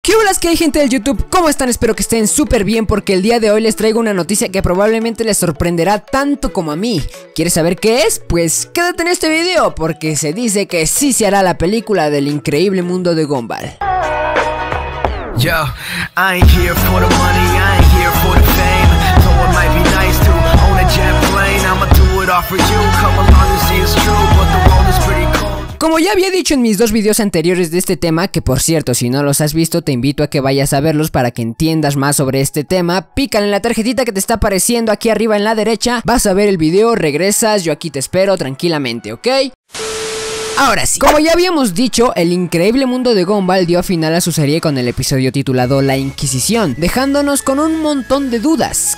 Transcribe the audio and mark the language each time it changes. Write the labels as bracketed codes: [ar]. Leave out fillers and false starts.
[es] ¿Qué olas que hay, gente del YouTube? ¿Cómo están? Espero que estén súper bien porque el día de hoy les traigo una noticia que probablemente les sorprenderá tanto como a mí. ¿Quieres saber qué es? Pues quédate en este video porque se dice que sí se hará la película del increíble mundo de Gumball. [en] Yo, I ain't here for the money, I ain't here for the fame. So it might be nice to own a jet plane. I'ma do it all for you, come along and see it's true. But the world is pretty cold. [es] Como ya había dicho en mis dos videos anteriores de este tema, que por cierto, si no los has visto, te invito a que vayas a verlos para que entiendas más sobre este tema. Pícale en la tarjetita que te está apareciendo aquí arriba en la derecha, vas a ver el video, regresas, yo aquí te espero tranquilamente, ¿ok? Ahora sí, como ya habíamos dicho, el increíble mundo de Gumball dio final a su serie con el episodio titulado La Inquisición, dejándonos con un montón de dudas.